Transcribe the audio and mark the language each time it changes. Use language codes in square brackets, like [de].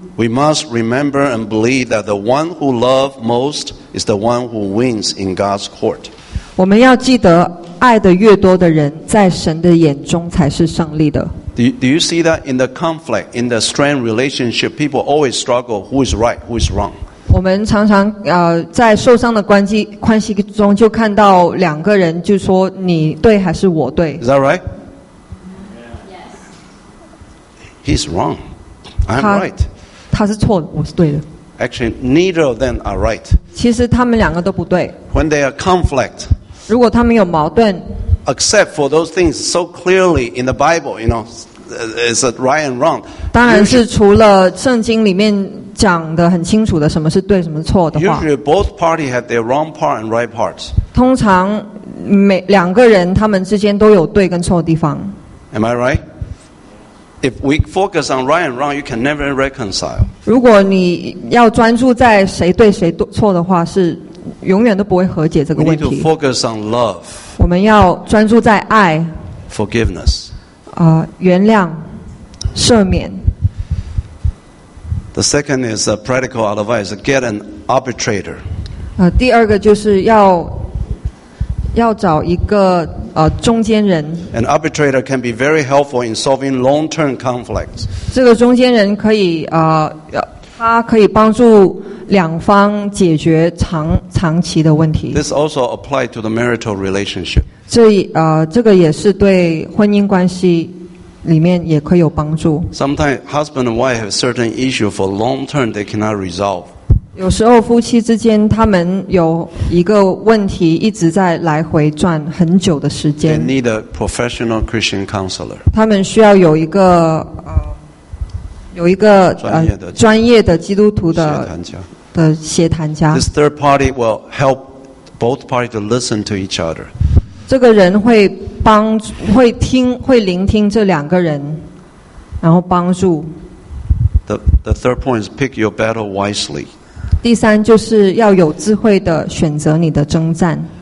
[en] We must remember and believe that the one who loves most is the one who wins in God's court. [zh] 我们要记得，爱的越多的人，在神的眼中才是胜利的。 [en] Do you see that in the conflict, in the strained relationship, people always struggle who is right, who is wrong? [zh] 我们常常在受伤的关系中就看到两个人就说你对还是我对。 [en] Is that right? Yes. He's wrong. I'm right. [zh] 他是错的，我是对的。 [en] Actually, neither of them are right. [zh] 其实他们两个都不对。 [en] When they are conflict, [zh] 如果他们有矛盾。 [en] Except for those things so clearly in the Bible, you know, is it right and wrong? [zh] 当然是除了圣经里面讲的很清楚的什么是对什么错的话。 [en] Usually both parties have their wrong part and right parts. [zh] 通常两个人他们之间都有对跟错的地方。 [en] Am I right? If we focus on right and wrong, you can never reconcile. [zh] 如果你要专注在谁对谁错的话，是永远都不会和解这个问题。 [en] We need to focus on love. [zh] 我们要专注在爱。 [en] Forgiveness. [zh] 原谅，赦免。 [en] The second is a practical advice: get an arbitrator. [zh] 第二个就是要找一个中间人。 [en] An arbitrator can be very helpful in solving long-term conflicts. [zh] 这个中间人可以他可以帮助两方解决长期的问题。 [en] This also applies to the marital relationship. [zh] 这个也是对婚姻关系里面也可以有帮助。 [en] Sometimes husband and wife have certain issue for long term they cannot resolve. [zh] 有时候夫妻之间他们有一个问题一直在来回转很久的时间。 [en] They need a professional Christian counselor. [zh] 他们需要有一个有一个专业的基督徒的协谈家。 [en] This third party will help both parties to listen to each other. [zh] 这个人会帮会听会聆听这两个人，然后帮助。 [en] The third point is pick your battle wisely. [zh] 第三就是要有智慧的选择你的征战。